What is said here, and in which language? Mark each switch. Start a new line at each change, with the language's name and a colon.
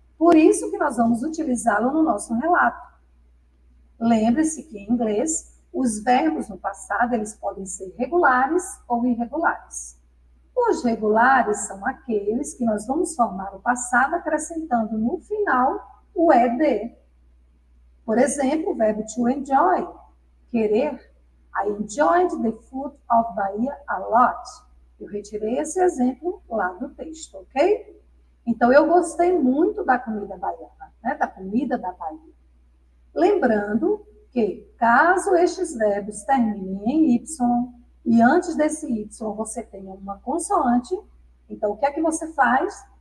Portuguese: Por isso que nós vamos utilizá-lo no nosso relato. Lembre-se que em inglês, os verbos no passado, eles podem ser regulares ou irregulares. Os regulares são aqueles que nós vamos formar o passado acrescentando no final o ed. Por exemplo, o verbo to enjoy, querer.
English: I enjoyed the food of Bahia a lot.
Portuguese: Eu retirei esse exemplo lá do texto, ok? Então, eu gostei muito da comida baiana, né? Da comida da Bahia. Lembrando que, caso estes verbos terminem em Y, e antes desse Y você tenha uma consoante, então o que é que você faz?